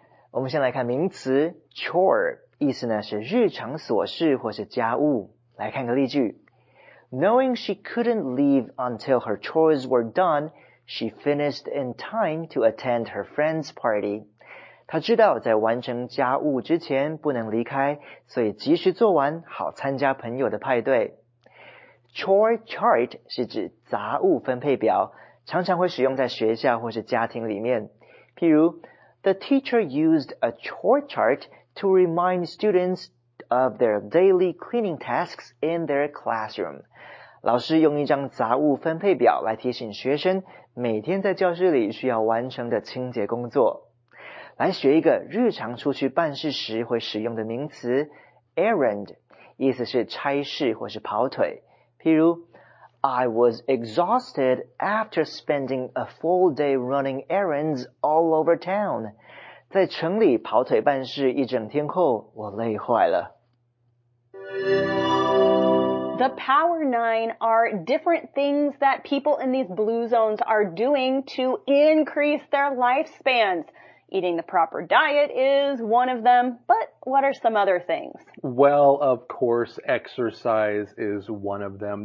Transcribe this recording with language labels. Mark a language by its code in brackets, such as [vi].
[zh] 我们先来看名词 chore。意思呢是日常琐事或是家务。来看个例句。 [en] Knowing she couldn't leave until her chores were done, she finished in time to attend her friend's party. [zh] 她知道在完成家务之前不能离开，所以及时做完好参加朋友的派对。 Chore chart 是指杂物分配表，常常会使用在学校或是家庭里面。譬如 [en] ,The teacher used a chore chart to remind students of their daily cleaning tasks in their classroom. [zh] 老师用一张杂物分配表来提醒学生每天在教室里需要完成的清洁工作。来学一个日常出去办事时会使用的名词 errand, 意思是差事或是跑腿。譬如 [en] I was exhausted after spending a full day running errands all over town. [zh] 在城里跑腿办事一整天后，我累坏了。 [en] The Power Nine are different things that people in these Blue Zones are doing to increase their lifespans. Eating the proper diet is one of them, but what are some other things? Well, of course, exercise is one of them.